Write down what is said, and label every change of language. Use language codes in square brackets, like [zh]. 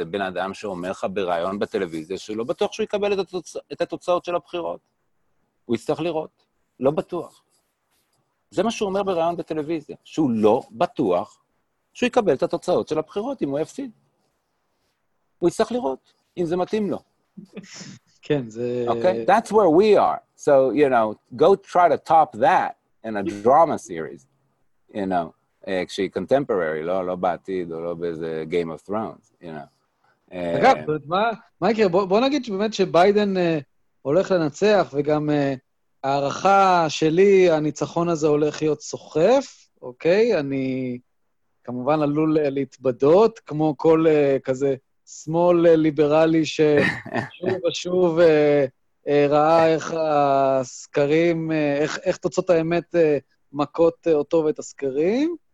[he] זה בן אדם שאומר לך בראיון בטלוויזיה, שלא בטוח שהוא יקבל את, את התוצאות של הבחירות. הוא יצטרך לראות. לא בטוח. זה מה שהוא אומר בראיון בטלוויזיה, שהוא לא בטוח, שהוא יקבל את התוצאות של הבחירות, אם הוא יפסיד. הוא יצטרך לראות, אם זה מתאים לו. כן, זה... [en] Okay, that's where we are. So, you know, go try to top that in a drama series. [he] You know, כשהיא contemporary, לא בעתיד, או לא באיזה Game of Thrones, you know. אגב, מייקר, בוא נגיד שבאמת שביידן הולך לנצח, וגם הערכה שלי, הניצחון הזה הולך להיות סוחף, אוקיי? אני... כמובן עלול להתבדות, כמו כל כזה שמאל ליברלי ששוב ושוב ראה איך הסקרים, איך תוצאות האמת מכות אותו ואת הסקרים.